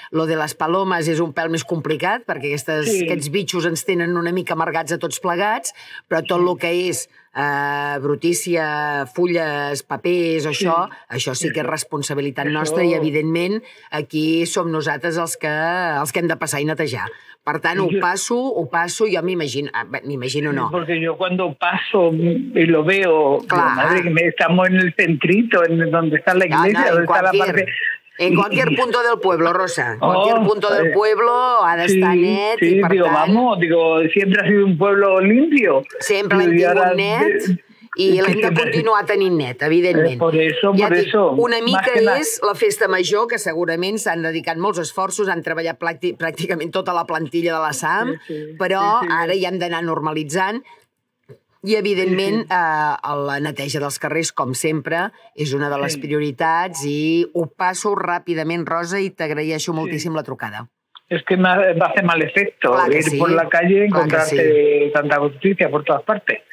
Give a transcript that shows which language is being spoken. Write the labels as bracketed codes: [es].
[ca] Lo de les palomes és un pèl més complicat, perquè aquests bitxos ens tenen una mica amargats a tots plegats, però tot el que és brutícia, fulles, papers, això sí que és responsabilitat nostra i, evidentment, aquí som nosaltres els que hem de passar i netejar. Per tant, ho passo, jo m'imagino no. [es] Porque yo cuando paso y lo veo, claro. Madre, que estamos en el centrito, en donde está la iglesia, donde está la parte... En cualquier punto del pueblo, Rosa. Cualquier punto del pueblo ha de estar net. Sí, digo, siempre ha sido un pueblo limpio. [ca] Siempre l'hem tingut ara... net. I l'hem de continuar tenint net, evidentment. Per això. Una mica és la Festa Major, que segurament s'han dedicat molts esforços, han treballat pràcticament tota la plantilla de la SAM, però ara hi hem d'anar normalitzant. I, evidentment, la neteja dels carrers, com sempre, és una de les prioritats. I ho passo ràpidament, Rosa, i t'agraeixo moltíssim la trucada. [es] Es que va a hacer mal efecto ir por la calle y encontrarte tanta justicia por todas partes.